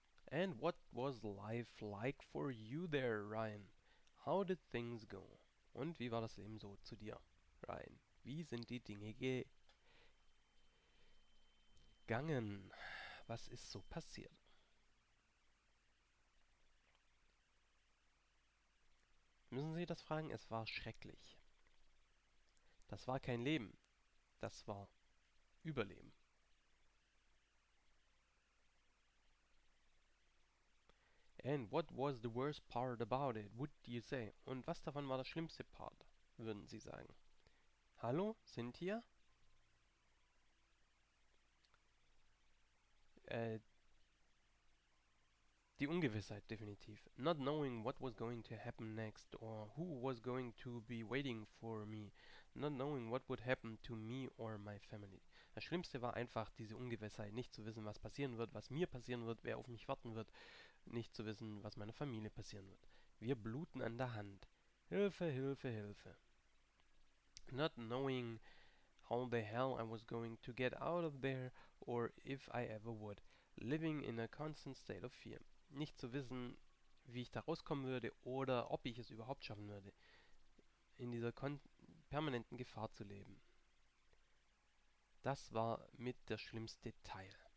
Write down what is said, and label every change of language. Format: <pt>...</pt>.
<en>And what was life like for you there, Ryan? How did things go?</en> <de>Und wie war das Leben so zu dir, Ryan? Wie sind die Dinge gegangen? Was ist so passiert? Müssen Sie das fragen? Es war schrecklich. Das war kein Leben. Das war Überleben.</de> <en>And what was the worst part about it? Would you say?</en> <de>Und was davon war das schlimmste Part? Würden Sie sagen? Hallo? Sind hier? Die Ungewissheit, definitiv.</de> <en>Not knowing what was going to happen next or who was going to be waiting for me. Not knowing what would happen to me or my family.</en> <de>Das Schlimmste war einfach diese Ungewissheit, nicht zu wissen, was passieren wird, was mir passieren wird, wer auf mich warten wird, nicht zu wissen, was meiner Familie passieren wird. Wir bluten an der Hand. Hilfe, Hilfe, Hilfe.</de> <en>Not knowing how the hell I was going to get out of there or if I ever would. Living in a constant state of fear.</en> <de>Nicht zu wissen, wie ich da rauskommen würde oder ob ich es überhaupt schaffen würde, in dieser permanenten Gefahr zu leben. Das war mit der schlimmste Teil.</de>